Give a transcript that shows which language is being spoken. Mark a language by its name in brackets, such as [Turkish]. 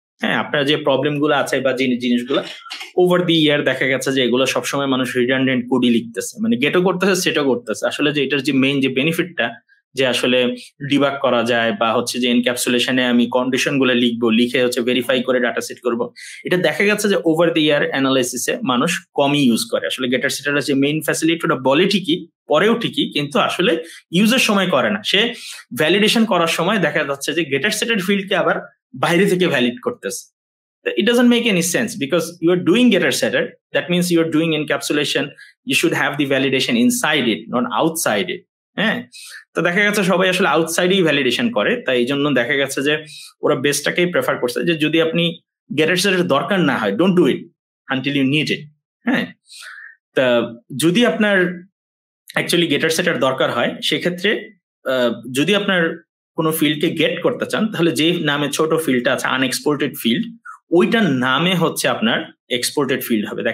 [Bangla] হ্যাঁ, আপনার যে প্রবলেমগুলো আছে বা যে জিনিসগুলো ওভার দি ইয়ার দেখা গেছে যে এগুলো সবসময় মানুষ রিডান্ডেন্ট কোডই লিখতেছে, মানে গেটও করতেছে সেটাও করতেছে, আসলে যে এটার যে মেইন যে বেনিফিটটা যে আসলে ডিবাগ করা যায় বা হচ্ছে যে এনক্যাপসুলেশনে আমি কন্ডিশনগুলো লিখবো, লিখে হচ্ছে ভেরিফাই করে ডাটা সেট করবো, এটা দেখা গেছে যে ওভার দি ইয়ার অ্যানালাইসিসে মানুষ কমই ইউজ করে। আসলে গেটার সেটার যে মেইন ফ্যাসিলিটি ওটা বলে ঠিকই, পরেও ঠিকই, কিন্তু আসলে ইউজের সময় করে না, সে ভ্যালিডেশন করার সময় দেখা যাচ্ছে যে গেটার সেটার ফিল্ডকে আবার বাইরে থেকে ভ্যালিড করতেছে। [English] It doesn't make any sense because you are doing getter setter. That means you are doing encapsulation. You should have the validation inside it, not outside it. [Bangla] তো দেখা গেছে সবাই আসলে আউটসাইডেই ভ্যালিডেশন করে, তাই এই জন্য দেখা গেছে যে ওরা বেস্টটাকেই প্রেফার করছে, যে যদি আপনি গেটার সেটের দরকার না হয় [English] Don't do it until you need it. [Bangla] হ্যাঁ, তা যদি আপনার অ্যাকচুয়ালি গেটার সেটের দরকার হয় সেক্ষেত্রে যদি আপনার কোনো ফিল্ডকে গেট করতে চান তাহলে যে নামে ছোট ফিল্ডটা আছে আনএক্সপোর্টেড ফিল্ড ওইটার নামে হচ্ছে আপনার এক্সপোর্টেড ফিল্ড হবে।